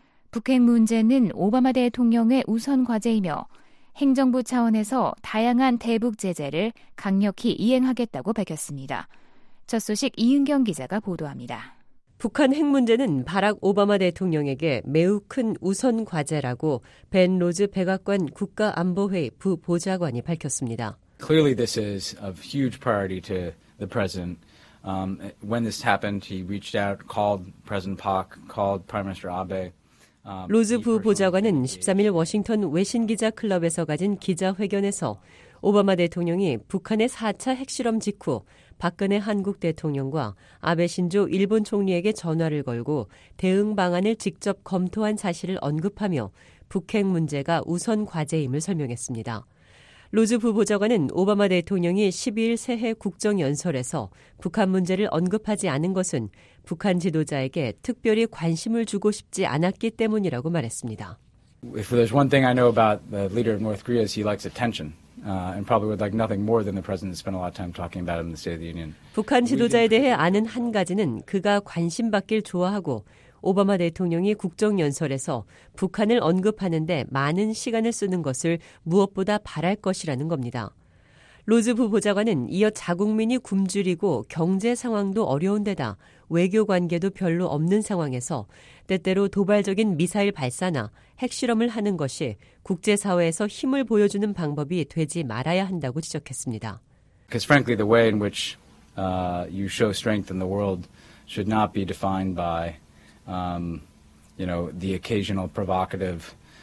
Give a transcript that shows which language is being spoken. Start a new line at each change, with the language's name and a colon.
Korean: 북핵 문제는 오바마 대통령의 우선 과제이며 행정부 차원에서 다양한 대북 제재를 강력히 이행하겠다고 밝혔습니다. 첫 소식 이은경 기자가 보도합니다. 북한 핵 문제는 바락 오바마 대통령에게 매우 큰 우선 과제라고 벤 로즈 백악관 국가안보회의 부보좌관이 밝혔습니다.
English: Clearly this is a huge priority to the president. When this happened, he reached out, called President Park, called Prime Minister Abe.
Korean: 로즈 부보좌관은 13일 워싱턴 외신 기자 클럽에서 가진 기자회견에서 오바마 대통령이 북한의 4차 핵실험 직후 박근혜 한국 대통령과 아베 신조 일본 총리에게 전화를 걸고 대응 방안을 직접 검토한 사실을 언급하며 북핵 문제가 우선 과제임을 설명했습니다. 로즈 부보좌관은 오바마 대통령이 12일 새해 국정연설에서 북한 문제를 언급하지 않은 것은 북한 지도자에게 특별히 관심을 주고 싶지 않았기 때문이라고 말했습니다.
English: If there's one thing I know about the leader of North Korea is he likes attention. And probably would like nothing more than the president to spend a lot of time talking about him in the State of the Union.
Korean: 북한 지도자에 대해 아는 한 가지는 그가 관심 받길 좋아하고 오바마 대통령이 국정연설에서 북한을 언급하는데 많은 시간을 쓰는 것을 무엇보다 바랄 것이라는 겁니다. 로즈 부보좌관은 이어 자국민이 굶주리고 경제 상황도 어려운 데다 외교 관계도 별로 없는 상황에서 때때로 도발적인 미사일 발사나 핵실험을 하는 것이 국제사회에서 힘을 보여주는 방법이 되지 말아야 한다고 지적했습니다.
English: Because frankly, the way in which you show strength in the world should not be defined by, you know, the occasional provocative.